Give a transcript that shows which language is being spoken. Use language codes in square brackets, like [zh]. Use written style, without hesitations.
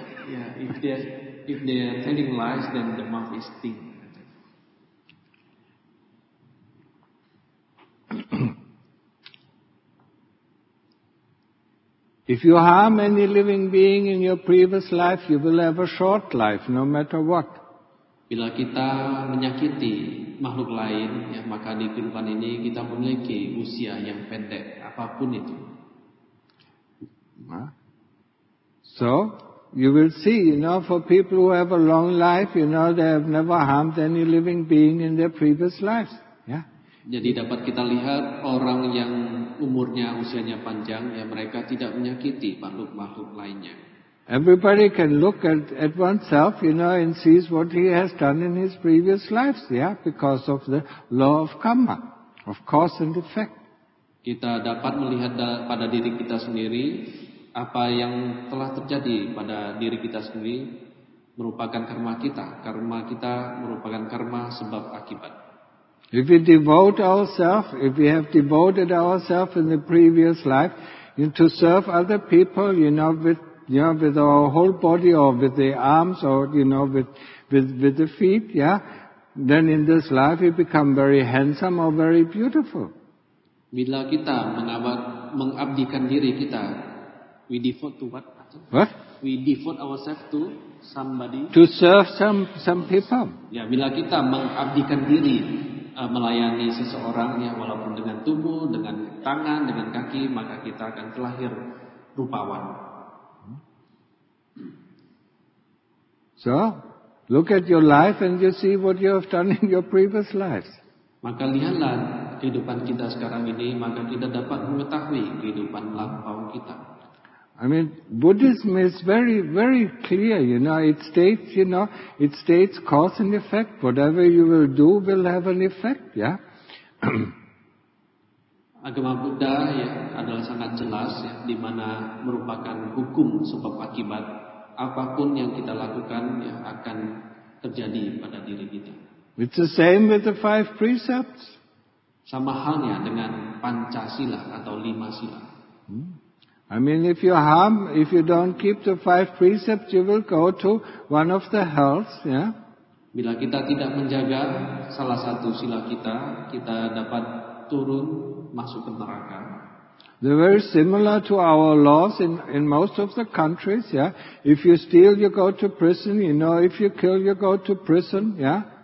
[en] Yeah, if they are telling lies, then the mouth is thin. If you harm any living being in your previous life, you will have a short life, no matter what. [id] Bila kita menyakiti makhluk lain, ya, maka di kehidupan ini kita memiliki usia yang pendek, apapun itu. [en] So, you will see, you know, for people who have a long life, you know, they have never harmed any living being in their previous lives. Yeah. [id] Jadi dapat kita lihat orang yang umurnya, usianya panjang, ya, mereka tidak menyakiti makhluk-makhluk lainnya. [en] Everybody can look at oneself, you know, and sees what he has done in his previous lives, yeah, because of the law of karma, of cause and effect. [id] Kita dapat melihat pada diri kita sendiri apa yang telah terjadi pada diri kita sendiri merupakan karma kita. Karma kita merupakan karma sebab akibat. [en] If we devote ourselves, if we have devoted ourselves in the previous life to serve other people, you know, with our whole body or with the arms or, you know, with the feet, yeah, then in this life you become very handsome or very beautiful. [id] Bila kita mengabdikan diri kita, [en] we devote to what? What? We devote ourselves to somebody. To serve some people. [id] Ya, bila kita mengabdikan diri melayani seseorang, ya, walaupun dengan tubuh, dengan tangan, dengan kaki, maka kita akan terlahir rupawan. [en] So, look at your life and you see what you have done in your previous lives. [id] Maka lihatlah kehidupan kita sekarang ini, maka kita dapat mengetahui kehidupan lampau kita. [en] I mean, Buddhism is very, very clear, you know, it states cause and effect. Whatever you will do will have an effect, yeah? [id] Agama Buddha, ya, adalah sangat jelas, ya, di mana merupakan hukum sebab akibat. Apapun yang kita lakukan, ya, akan terjadi pada diri kita. [en] It's the same with the five precepts. [id] Sama halnya dengan Pancasila atau lima sila. [en] I mean, if you don't keep the five precepts, you will go to one of the hells, yeah. [id] Bila kita tidak menjaga salah satu sila kita, kita dapat turun masuk ke neraka. [en] They're very similar to our laws in most of the countries, yeah. If you steal, you go to prison, you know. If you kill, you go to prison, yeah.